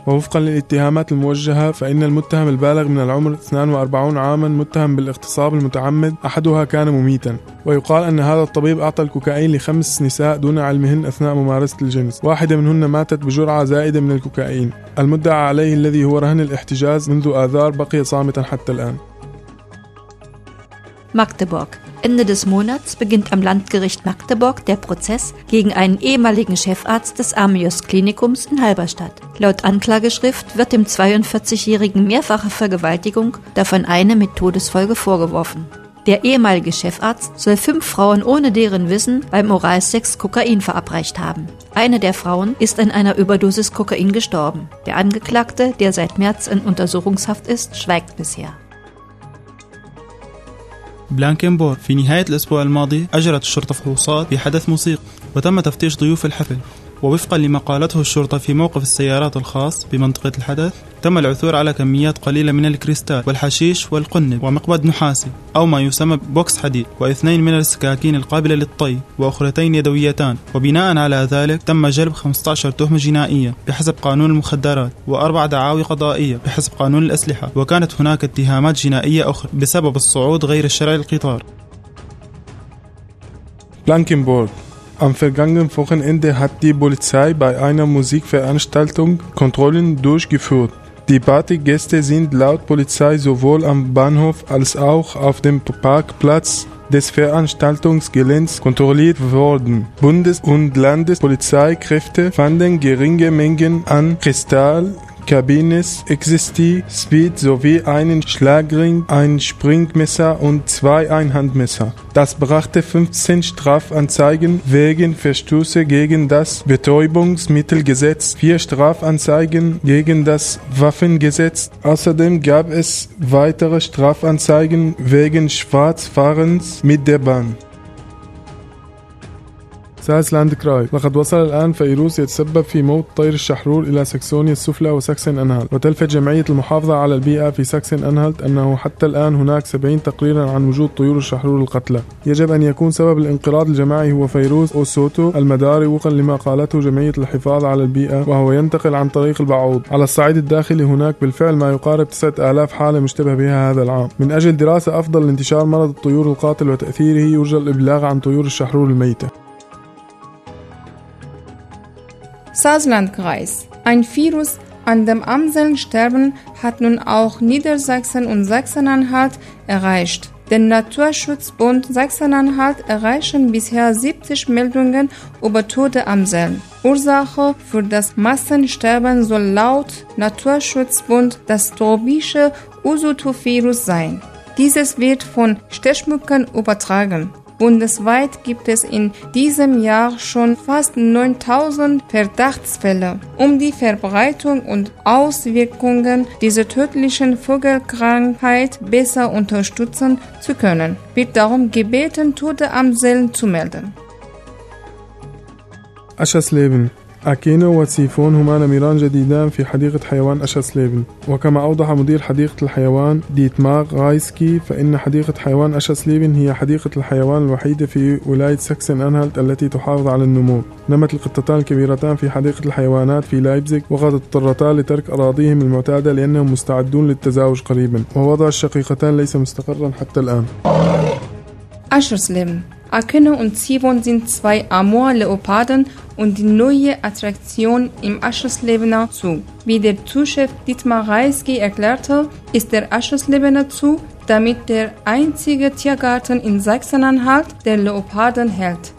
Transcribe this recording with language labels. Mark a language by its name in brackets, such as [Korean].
[Arabic] ووفقا للاتهامات الموجهة، فإن المتهم البالغ من العمر 42 عاما متهم بالاغتصاب المتعمد، أحدها كان مميتا، ويقال أن هذا الطبيب أعطى الكوكايين لخمس نساء دون علمهن أثناء ممارسة الجنس. واحدة منهن ماتت بجرعة زائدة من الكوكايين. المدعى عليه الذي هو رهن الاحتجاز منذ آذار بقي صامتا حتى الآن. [German] مكدبورغ Ende des Monats beginnt am Landgericht Magdeburg der Prozess gegen einen ehemaligen Chefarzt des Amios Klinikums in Halberstadt. Laut Anklageschrift wird dem 42-Jährigen mehrfache Vergewaltigung, davon eine mit Todesfolge, vorgeworfen. Der ehemalige Chefarzt soll fünf Frauen ohne deren Wissen beim Oralsex Kokain verabreicht haben. Eine der Frauen ist an einer Überdosis Kokain gestorben. Der Angeklagte, der seit März in Untersuchungshaft ist, schweigt bisher. [Arabic] بلانكنبور في نهاية الأسبوع الماضي أجرت الشرطة فحوصات في حدث موسيقي، وتم تفتيش ضيوف الحفل. ووفقا لما قالته الشرطة في موقف السيارات الخاص بمنطقة الحدث، تم العثور على كميات قليلة من الكريستال والحشيش والقنب ومقبض نحاسي أو ما يسمى بوكس حديد، واثنين من السكاكين القابلة للطي، وأخرتين يدويتان. وبناء على ذلك تم جلب 15 تهمة جنائية بحسب قانون المخدرات، وأربع دعاوي قضائية بحسب قانون الأسلحة، وكانت هناك اتهامات جنائية أخرى بسبب الصعود غير الشرعي للقطار. [German] بلانكنبورغ Am vergangenen Wochenende hat die Polizei bei einer Musikveranstaltung Kontrollen durchgeführt. Die Partygäste sind laut Polizei sowohl am Bahnhof als auch auf dem Parkplatz des Veranstaltungsgeländes kontrolliert worden. Bundes- und Landespolizeikräfte fanden geringe Mengen an Kristall, Cabines, Ecstasy, Speed sowie einen Schlagring, ein Springmesser und zwei Einhandmesser. Das brachte 15 Strafanzeigen wegen Verstöße gegen das Betäubungsmittelgesetz, 4 Strafanzeigen gegen das Waffengesetz. Außerdem gab es weitere Strafanzeigen wegen Schwarzfahrens mit der Bahn. [Arabic] ساس لاندكرايس. لقد وصل الآن فيروس يتسبب في موت طير الشحرور إلى ساكسونيا السفلى وساكسن أنهالت. وتلفت جمعية المحافظة على البيئة في ساكسن أنهالت أنه حتى الآن هناك 70 تقريرا عن وجود طيور الشحرور القتلى. يجب أن يكون سبب الانقراض الجماعي هو فيروس أوسوتو المداري، وقل لما قالته جمعية الحفاظ على البيئة، وهو ينتقل عن طريق البعوض. على الصعيد الداخلي هناك بالفعل ما يقارب 9000 حالة مشتبه بها هذا العام. من أجل دراسة أفضل لانتشار مرض الطيور القاتل وتأثيره، يرجى الإبلاغ عن طيور الشحرور الميتة. [German] Sazlandkreis. Ein Virus, an dem Amseln sterben, hat nun auch Niedersachsen und Sachsen-Anhalt erreicht. Den Naturschutzbund Sachsen-Anhalt erreichen bisher 70 Meldungen über tote Amseln. Ursache für das Massensterben soll laut Naturschutzbund das tropische Usutovirus sein. Dieses wird von Stechmücken übertragen. Bundesweit gibt es in diesem Jahr schon fast 9000 Verdachtsfälle. Um die Verbreitung und Auswirkungen dieser tödlichen Vogelkrankheit besser unterstützen zu können, wird darum gebeten, tote Amseln zu melden. Aschers Leben. [Arabic] أكينو وسيفون هما نميران جديدان في حديقة حيوان أشرس ليبن. وكما أوضح مدير حديقة الحيوان ديتماغ غايسكي، فإن حديقة حيوان أشرس ليبن هي حديقة الحيوان الوحيدة في ولاية ساكسن أنهالت التي تحافظ على النمو. نمت القطتان الكبيرتان في حديقة الحيوانات في لايبزيغ، وقد اضطرتا لترك أراضيهم المعتادة لأنهم مستعدون للتزاوج قريبا، ووضع الشقيقتان ليس مستقرا حتى الآن. أشرس ليبن. [German] Akino und Zivon sind zwei Amur-Leoparden und die neue Attraktion im Aschersleben-er Zoo. Wie der Zoochef Dietmar Reisky erklärte, ist der Aschersleben-er Zoo damit der einzige Tiergarten in Sachsen-Anhalt, der Leoparden hält.